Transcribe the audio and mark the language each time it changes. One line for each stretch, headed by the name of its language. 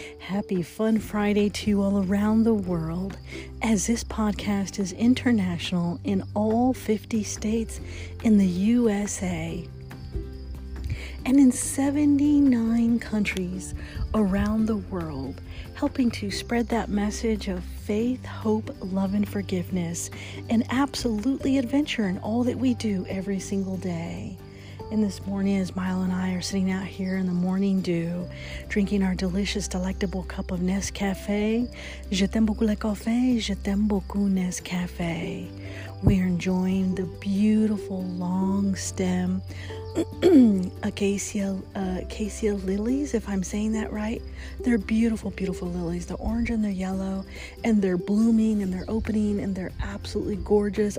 English: Happy Fun Friday to you all around the world. As this podcast is international in all 50 states in the USA and in 79 countries around the world, helping to spread that message of faith, hope, love, and forgiveness, and absolutely adventure in all that we do every single day. And this morning, as Milo and I are sitting out here in the morning dew, drinking our delicious, delectable cup of Nescafe.
French: Je t'aime beaucoup le café, je t'aime beaucoup Nescafe.
English: We are enjoying the beautiful long stem acacia lilies, if I'm saying that right. They're beautiful, beautiful lilies. They're orange and they're yellow, and they're blooming and they're opening and they're absolutely gorgeous.